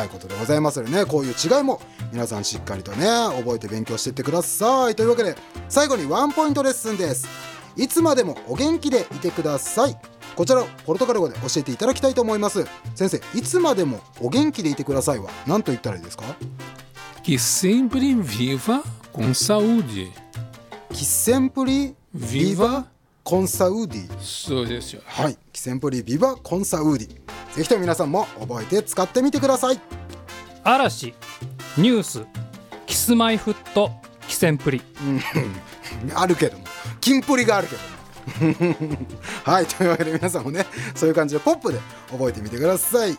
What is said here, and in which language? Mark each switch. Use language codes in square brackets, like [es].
[ja] はい、ことでございますよね。こういう違いも皆さんしっかりとね覚えて勉強していってください。というわけで最後にワンポイントレッスンです。いつまでもお元気でいてください。こちらをポルトガル語で教えていただきたいと思います。先生、いつまでもお元気でいてくださいは何と言ったらいいですか。 [pt] Que sempre viva com saúde. Que sempre viva com saúde. [ja] そうですよ。 [pt] はい、 Que sempre viva com saúde. [ja] ぜひとも皆さんも覚えて使ってみてください。嵐、ニュース、キスマイフット、キセンプリあるけども、キンプリがあるけどはい、というわけで皆さんもねそういう感じでポップで覚えてみてください。